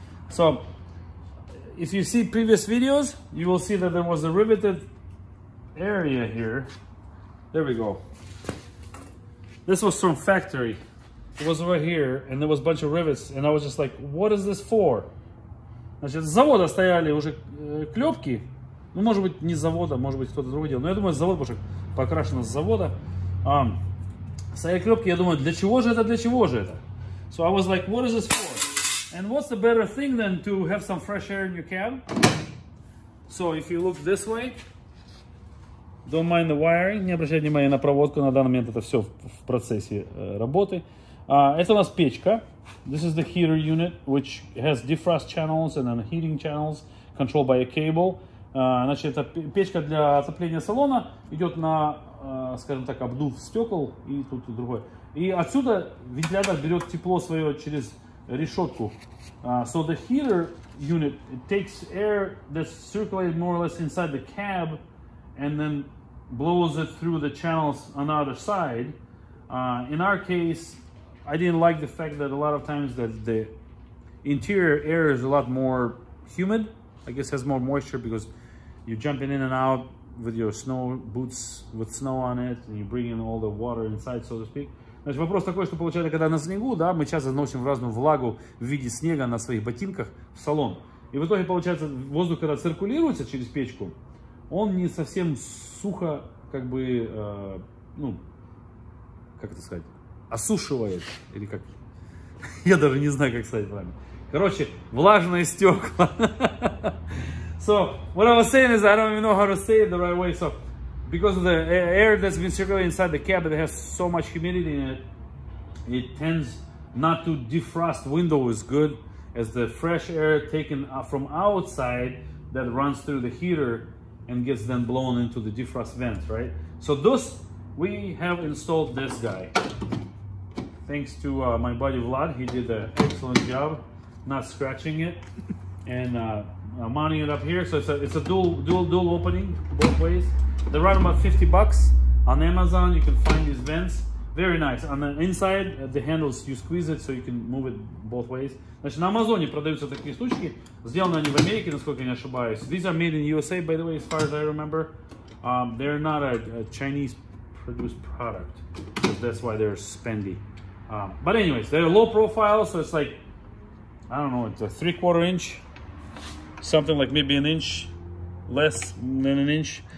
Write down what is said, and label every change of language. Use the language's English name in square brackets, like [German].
[English] So, if you see previous videos, you will see that there was a riveted area here. There we go. This was from factory. It was over here, and there was a bunch of rivets, and I was just like, what is this for? [Russian] Значит, с завода стояли уже клепки. Ну, может быть, не с завода, может быть, кто-то другой делал. Но я думаю, завод, потому что покрашено с завода. Стояли клепки, я думаю, для чего же это? [English] So I was like, what is this for? And what's the better thing than to have some fresh air in your cab? So if you look this way, don't mind the wiring, [Russian] не обращай внимания на проводку, на данный момент это все в процессе работы. Это у нас печка. [English] This is the heater unit, which has defrost channels and then heating channels, controlled by a cable. [Russian] Значит, это печка для отопления салона, идет на, скажем так, обдув стекол и тут и другое. И отсюда вентилятор берет тепло свое через решетку. [English] So the heater unit, it takes air that's circulated more or less inside the cab and then blows it through the channels on the other side. In our case, I didn't like the fact that a lot of times that the interior air is a lot more humid. I guess has more moisture because you're jumping in and out with your snow boots with snow on it and you bring in all the water inside, so to speak. [Russian] Значит, вопрос такой, что получается, когда на снегу, да, мы часто заносим в разную влагу в виде снега на своих ботинках в салон. И в итоге получается, воздух, когда циркулируется через печку, он не совсем сухо, как бы, ну, как это сказать, осушивает, или как, я даже не знаю, как сказать правильно. Короче, влажные стекла. [English] So, what I was saying is, I don't even know how to say it the right way, so, because of the air that's been circulating inside the cab, it has so much humidity in it, it tends not to defrost window as good as the fresh air taken from outside that runs through the heater and gets then blown into the defrost vent, right? So thus, we have installed this guy. Thanks to my buddy Vlad, he did an excellent job not scratching it and mounting it up here. So it's a dual opening both ways. They run about $50 on Amazon. You can find these vents. Very nice. On the inside, the handles, you squeeze it, so you can move it both ways. [Russian] Значит, на Амазоне продаются такие штучки. Сделаны они в Америке, насколько я не ошибаюсь. [English] These are made in USA, by the way, as far as I remember. They're not a Chinese produced product. Because that's why they're spendy. But anyways, they're low profile, so it's like, I don't know, it's a 3/4 inch. Something like maybe an inch less than an inch.